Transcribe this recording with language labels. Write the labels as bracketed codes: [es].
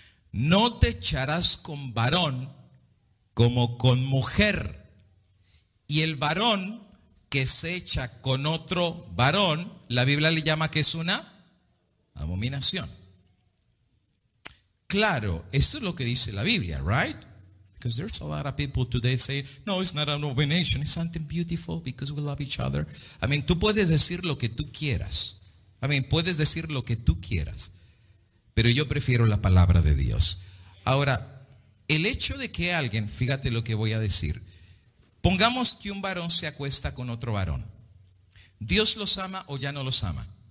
[es] No te echarás con varón como con mujer. Y el varón que se echa con otro varón, la Biblia le llama que es una abominación. Claro, esto es lo que dice la Biblia, right? [en] Because there's a lot of people today say, no, it's not an abomination. It's something beautiful because we love each other. I mean, [es] tú puedes decir lo que tú quieras. I mean, puedes decir lo que tú quieras. Pero yo prefiero la palabra de Dios. Ahora, el hecho de que alguien, fíjate lo que voy a decir. Pongamos que un varón se acuesta con otro varón. ¿Dios los ama o ya no los ama?